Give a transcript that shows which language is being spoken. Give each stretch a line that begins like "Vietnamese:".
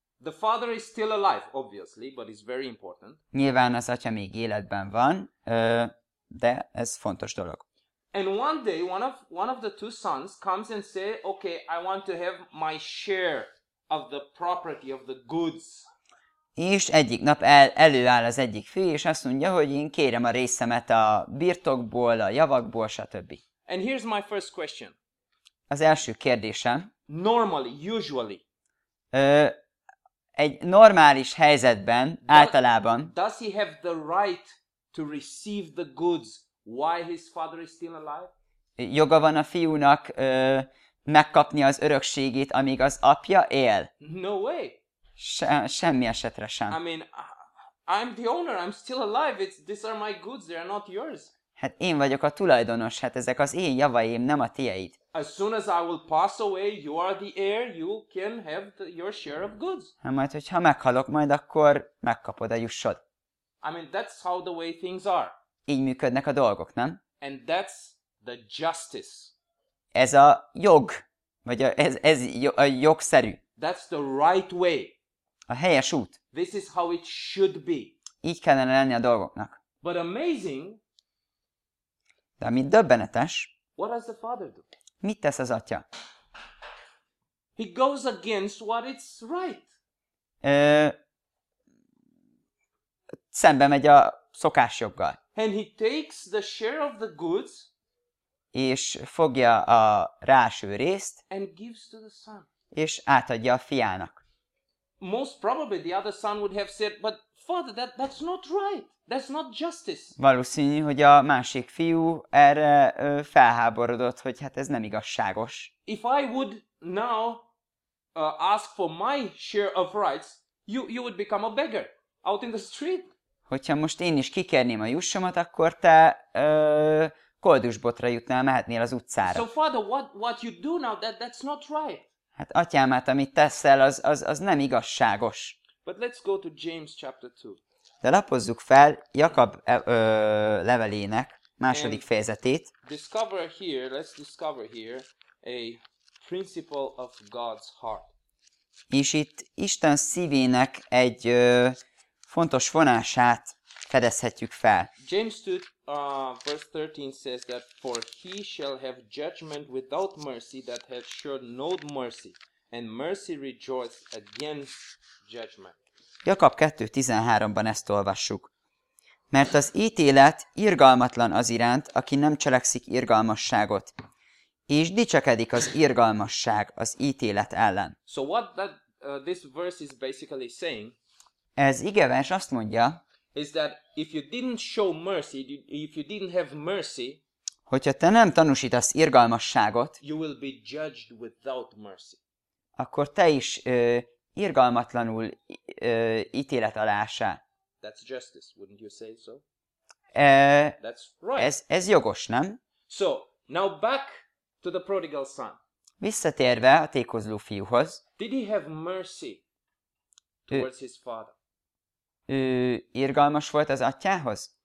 English: The father is still alive, obviously, but it's very important.
Hungarian: Nyilván az atya még életben van, de ez fontos dolog.
English: And one day one of the two sons comes and say, "Okay, I want to have my share of the property of the goods."
Hungarian: És egyik nap előáll az egyik fiú, és azt mondja, hogy én kérem a részemet a birtokból, a javakból, stb.
English: And here's my first question.
Hungarian: Az első kérdésem.
English: Normally, usually.
Hungarian: Egy normális helyzetben, általában.
English: Does he have the right to receive the goods while his father is still alive?
Hungarian: Joga van a fiúnak megkapni az örökségét, amíg az apja él?
English: No way.
Hungarian: Semmi esetre sem.
English: I mean, I'm the owner, I'm still alive. These are my goods, they are not yours.
Hungarian: Hát én vagyok a tulajdonos, hát ezek az én javaim, nem a tieid.
English: As soon as I will pass away, you are the heir, you can have your share of goods.
Hungarian: Hát majd, hogyha meghalok majd, akkor megkapod a jussod.
English: I mean, that's how the way things are.
Hungarian: Így működnek a dolgok, nem?
English: And that's the justice.
Hungarian: Ez a jog, vagy ez a jogszerű.
English: That's the right way.
Hungarian: A helyes út.
English: This is how it should be.
Hungarian: Így kellene lenni a dolgoknak.
English: But amazing.
Hungarian: De ami döbbenetes.
English: What does the father do?
Hungarian: Mit tesz az atya?
English: He goes against what is right.
Hungarian: Szembe megy a szokásjoggal.
English: And he takes the share of the goods.
Hungarian: És fogja a ráső részt.
English: And gives to the son.
Hungarian: És átadja a fiának.
English: Most probably the other son would have said, but father, that's not right. That's not justice.
Hungarian: Valószínű, hogy a másik fiú erre felháborodott, hogy hát ez nem igazságos.
English: If I would now ask for my share of rights, you would become a beggar out in the street.
Hungarian: Hogyha most én is kikerném a jussomat, akkor te koldusbotra jutnál, mehetnél az utcára.
English: So father, what you do now, that's not right.
Hungarian: Hát atyám, hát amit teszel, az nem igazságos.
English: But let's go to James chapter 2.
Hungarian: De lapozzuk fel Jakab levelének második fejezetét.
English: Discover here, let's discover here a principle of God's heart.
Hungarian: És itt Isten szívének egy fontos vonását fedezhetjük fel.
English: James 2 verse 13 says that for he shall have judgment without mercy that hath showed no mercy, and mercy rejoiced against judgment.
Hungarian: Jakab 2:13-ban ezt olvassuk. Mert az ítélet irgalmatlan az iránt, aki nem cselekszik irgalmasságot, és dicsekedik az irgalmasság az ítélet ellen.
English: So what that this verse is basically saying,
Hungarian: ez igevers azt mondja,
English: is that if you didn't show mercy, if you didn't have mercy,
Hungarian: hogyha te nem tanúsítasz irgalmasságot,
English: you will be judged without mercy.
Hungarian: Akkor te is irgalmatlanul ítélet alá esel.
English: That's justice, wouldn't you say so? That's right.
Hungarian: Ez jogos, nem?
English: So, now back to the prodigal son.
Hungarian: Visszatérve a tékozló fiúhoz.
English: Did he have mercy towards his father?
Hungarian: Ő irgalmas volt az atyához?